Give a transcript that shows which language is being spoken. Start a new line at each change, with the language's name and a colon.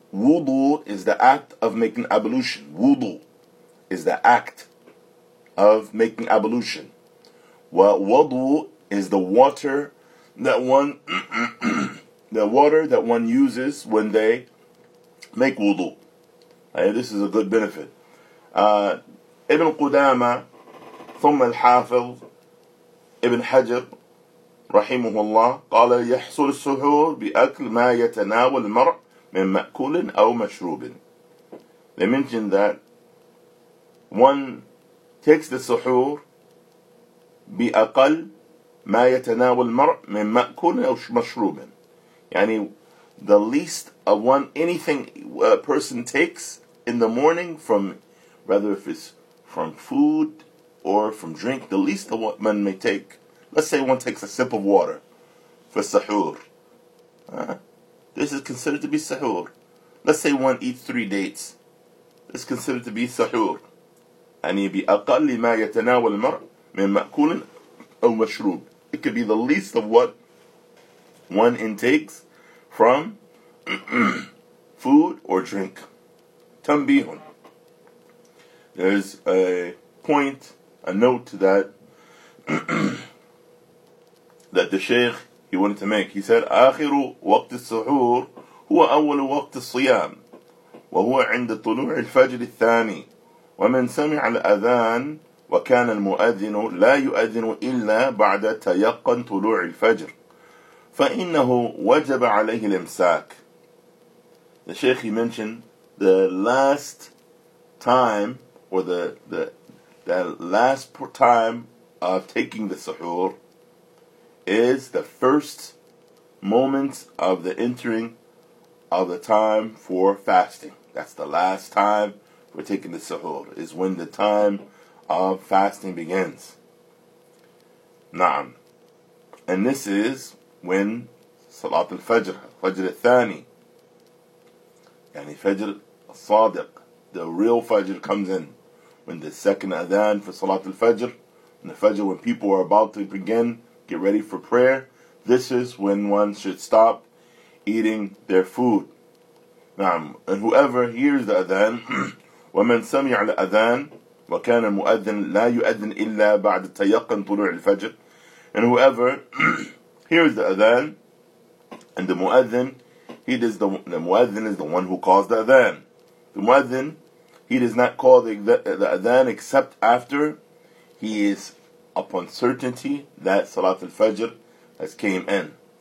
English: Wudu is the act of making ablution. Wudu is the act of making ablution. Well, wudu is the water that one the water that one uses when they make wudu. This is a good benefit.
Arabic: Ibn Qudama, ثم الحافظ ابن حجر رحمه الله قال يحصل السحور بأكل ما يتناول المرء من مأكول أو مشروب.
English: They mentioned that one takes the suhoor
Arabic: بأقل ما يتناول المرء من مأكول أو مشروب.
English: يعني the least of one, anything a person takes in the morning from, whether if it's from food or from drink, the least of what one may take. Let's say one takes a sip of water for suhoor. This is considered to be suhoor. Let's say one eats 3 dates. This is considered to be suhoor.
Arabic: يعني بأقل ما يتناول المرء من مأكول أو مشروب.
English: It could be the least of what one intakes from food or drink.
Arabic: تنبيهن.
English: There's a point, a note to that that the Shaykh, he wanted to make. He said,
Arabic: آخر وقت السحور هو أول وقت الصيام وهو عند طلوع الفجر الثاني ومن سمع الأذان وكان المؤذن لا يؤذن إلا بعد تيقن طلوع الفجر فإنه وجب عليه الإمساك.
English: The Shaykh, he mentioned the last time, or the last time of taking the suhoor is the first moment of the entering of the time for fasting. That's the last time for taking the suhoor, is when the time of fasting begins. Naam. And this is when Salat al-Fajr, Fajr al-Thani, Yani Fajr Sadiq, the real Fajr comes in. When the second Adhan for Salat al-Fajr, and the Fajr when people are about to begin, get ready for prayer, this is when one should stop eating their food. And whoever hears the Adhan,
Arabic: وَمَنْ سَمِعَ الْأَذَانِ وَكَانَ الْمُؤَذِّنِ لَا يُؤَذِّنِ إِلَّا بَعْدَ تَيَقَّنْ طُلُوعِ الْفَجْرِ.
English: And whoever hears the Adhan, and the Muadhin, the Muadhin is the one who calls the Adhan. The Muadhin, he does not call the Adhan except after he is upon certainty that Salat al-Fajr has came in.